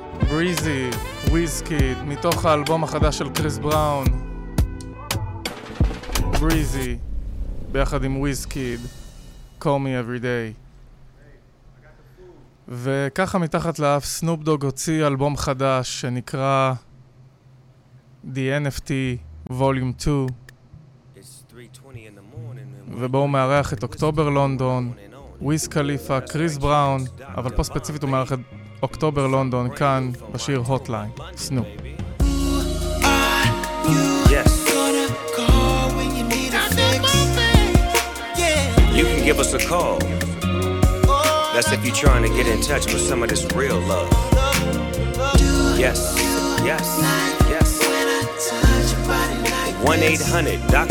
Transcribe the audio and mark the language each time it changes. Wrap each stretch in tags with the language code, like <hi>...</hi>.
<he>Breezy, Wizkid, מתוך האלבום החדש של קריס בראון. Breezy, ביחד עם Wizkid, Call Me Every Day. וככה מתחת לאף, Snoop Dogg הוציא אלבום חדש שנקרא The NFT Volume 2. ובו הוא מארח את אוקטובר לונדון, וויז קליפה, קריס בראון, אבל פה ספציפית הוא מארח את... אוקטובר לונדון כאן בשיר הוטליין סנו</he> <en>You can give us a call That's if you trying to get in touch with some of this real love Yes Yes Yes 1-800 Dr.</en>